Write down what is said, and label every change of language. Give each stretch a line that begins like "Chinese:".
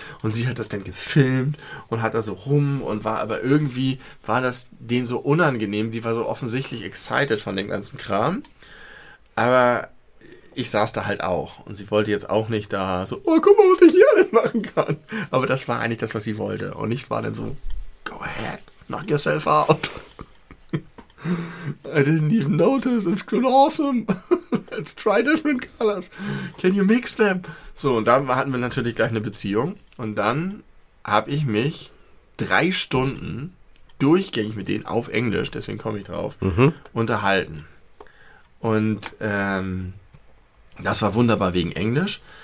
German: Und sie hat das dann gefilmt und hat da so rum und war aber irgendwie, war das denen so unangenehm. Die war so offensichtlich excited von dem ganzen Kram. Aber ich saß da halt auch und sie wollte jetzt auch nicht da so, oh, guck mal, was ich hier alles machen kann. Aber das war eigentlich das, was sie wollte. Und ich war dann so,
English: go ahead, knock yourself out. I didn't even notice, it's awesome. Let's try different colors. Can you mix them?
German: So, und dann hatten wir natürlich gleich eine Beziehung. Und dann habe ich mich 3 Stunden durchgängig mit denen auf Englisch, deswegen komme ich drauf, unterhalten. Und das war wunderbar wegen Englisch.